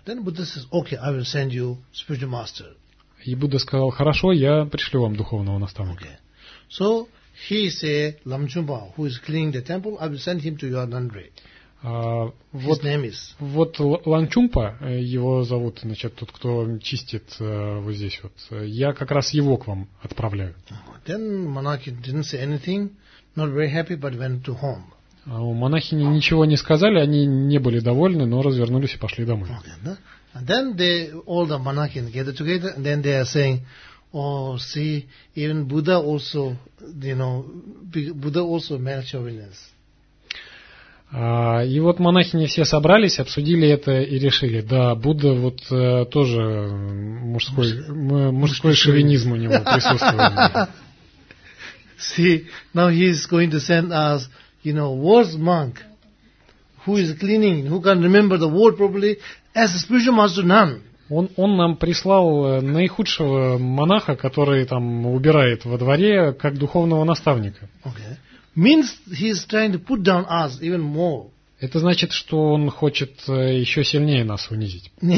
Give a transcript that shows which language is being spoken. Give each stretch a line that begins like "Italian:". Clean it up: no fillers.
English: Then Buddha says, okay, I will send you spiritual master.
Russian: И Будда сказал, хорошо, я пришлю вам духовного наставника.
English: Okay. So he said, Lamchumpa, who is cleaning the temple, I will send him to your nunnery. His name is.
Russian: Вот Ланчумпа, его зовут, значит, тот, кто чистит вот здесь вот. Я как раз его к вам отправляю.
English: Then monarchy didn't say anything, not very happy, but went to home.
Russian: Монахини ничего не сказали, они не были довольны, но развернулись и пошли домой.
English: Then all the monarchs gather together, and then they are saying, "Oh, see, even Buddha also, you know, Buddha also male chauvinist."
Russian: И вот монахини все собрались, обсудили это и решили, да, Будда вот тоже мужской шовинизм у него присутствует.
English: See, now he is going to send us, you know, worst monk who is cleaning, who can remember the word properly. As a spiritual master nun.
Russian: Он нам прислал наихудшего монаха, который там убирает во дворе, как духовного наставника.
English: Okay. Means he is trying to put down us even more.
Russian: Это значит, что он хочет еще сильнее нас унизить.